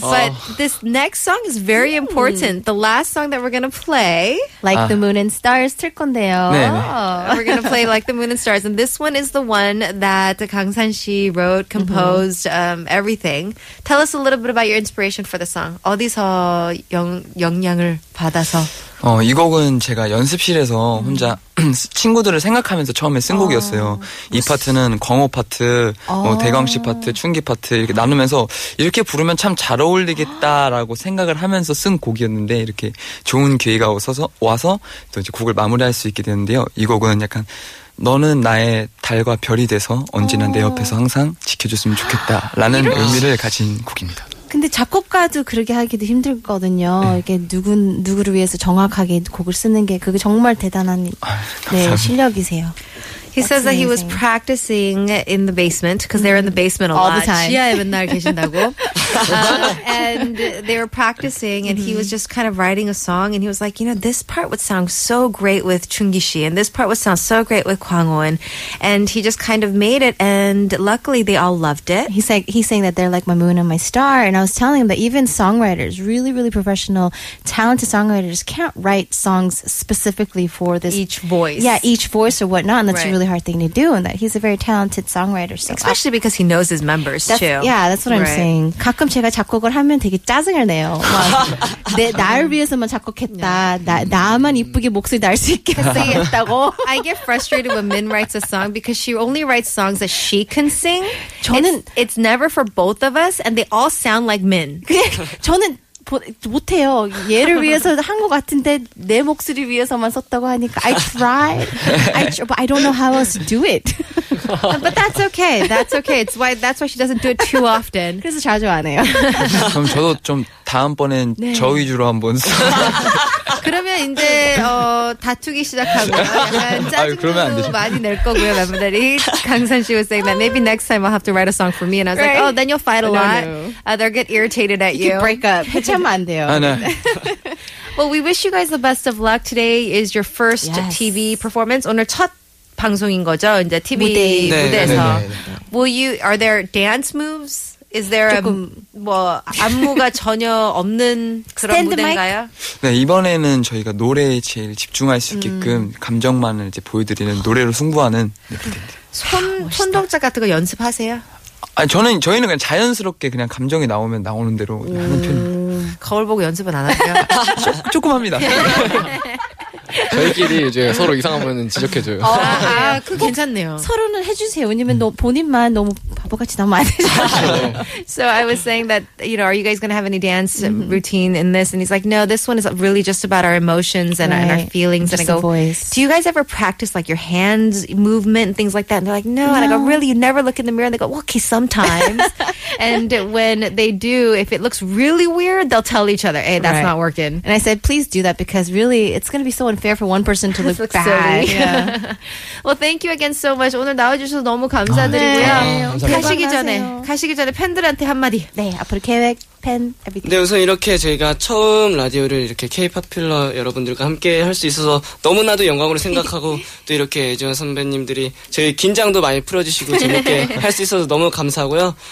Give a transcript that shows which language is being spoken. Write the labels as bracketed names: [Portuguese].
[English] But this next song is very important. The last song that we're going to play. [Korean] Like the Moon and Stars 틀 건데요. 네, 네. [English] We're going to play Like the Moon and Stars. And this one is the one that 강산 씨 wrote, composed, everything. Tell us a little bit about your inspiration for the song. [Korean] 어디서 영향을 받아서. 이 곡은 제가 연습실에서 혼자 친구들을 생각하면서 처음에 쓴 곡이었어요. 이 파트는 광호 파트, 뭐 대광 씨 파트, 춘기 파트 이렇게 나누면서 이렇게 부르면 참 잘 어울리겠다라고 생각을 하면서 쓴 곡이었는데 이렇게 좋은 기회가 와서 또 이제 곡을 마무리할 수 있게 되는데요. 이 곡은 약간 너는 나의 달과 별이 돼서 언제나 내 옆에서 항상 지켜줬으면 좋겠다라는 의미를 가진 곡입니다. 근데 작곡가도 그렇게 하기도 힘들거든요. 네. 이게 누구를 위해서 정확하게 곡을 쓰는 게 그게 정말 대단한 네, 실력이세요. [English] He says that he was practicing in the basement because they're in the basement all the time. [Korean] 지하에 맨날 계신다고. [English] And they were practicing and he was just kind of writing a song and he was like, you know, this part would sound so great with Chungi Shi and this part would sound so great with Kwang Won. And he just kind of made it and luckily they all loved it. He's saying that they're like my moon and my star. And I was telling him that even songwriters, really, really professional, talented songwriters can't write songs specifically for this. Each voice. Yeah, each voice or whatnot. And that's right. really hard thing to do and that he's a very talented songwriter so especially because he knows his members that's, too yeah that's what right. I'm saying [Korean] 가끔 제가 작곡을 하면 되게 짜증을 내요 나를 위해서만 작곡했다 나만 이쁘게 목소리 날 수 있게 했다고 [English] I get frustrated when Min writes a song because she only writes songs that she can sing [Korean] 저는 [English] it's never for both of us and they all sound like Min [Korean] 저는 못해요. 얘를 위해서 한 것 같은데 내 목소리 위해서만 썼다고 하니까 [English] I tried. But I don't know how else to do it. But that's okay. That's okay. That's why she doesn't do it too often. [Korean] 그래서 자주 안 해요. 그럼 저도 좀 다음번엔 네. 저 위주로 한번 그러면 이제 다투기 시작하고 짜증도 많이 낼 거고요. 멤버들이 [English] 강산 씨 was saying that maybe next time I'll have to write a song for me and I was right. like oh then you'll fight a no, lot. No. They'll get irritated at you. You break up. [Korean] 해체하면 안 돼요. 아, 네. [English] Well, we wish you guys the best of luck. Today is your first yes. TV performance. [Korean] 오늘 첫 방송인 거죠? 이제 TV 무대. 네, 무대에서. 네, 네, 네, 네. [English] Will you, are there dance moves? Is there [Korean] 안무가 전혀 없는 그런 무대인가요? 네, 이번에는 저희가 노래에 제일 집중할 수 있게끔 감정만을 이제 보여드리는 노래로 승부하는 손 동작 같은 거 연습하세요? 아니, 저희는 그냥 자연스럽게 그냥 감정이 나오면 나오는 대로 하는 편입니다. 거울 보고 연습은 안 하세요? 조금 합니다. 저희끼리 이제 서로 이상한 거는 지적해줘요. 그 괜찮네요. 서로는 해주세요. 왜냐면 너 본인만 너무 바보같이 너무 안 해주세요. [English] So I was saying that, you know, are you guys going to have any dance routine in this? And he's like, no, this one is really just about our emotions and, right. and our feelings. Just and I go, voice. Do you guys ever practice like your hands movement and things like that? And they're like, no. And I go, really? You never look in the mirror? And they go, well, okay, sometimes. And when they do, if it looks really weird, they'll tell each other, hey, that's right. not working. And I said, please do that because really, it's going to be so unfair for one person to look bad. Silly. Yeah. Well, thank you again so much. [Korean] 오늘 나와주셔서 너무 감사드리고요. 가시기 전에 팬들한테 한마디. 네, 앞으로 계획, 팬, [English] everything. [Korean] 네, 우선 이렇게 저희가 처음 라디오를 이렇게 K-POP필러 여러분들과 함께 할 수 있어서 너무나도 영광으로 생각하고 또 이렇게 애지원 선배님들이 저희 긴장도 많이 풀어주시고 재밌게 할 수 있어서 너무 감사하고요.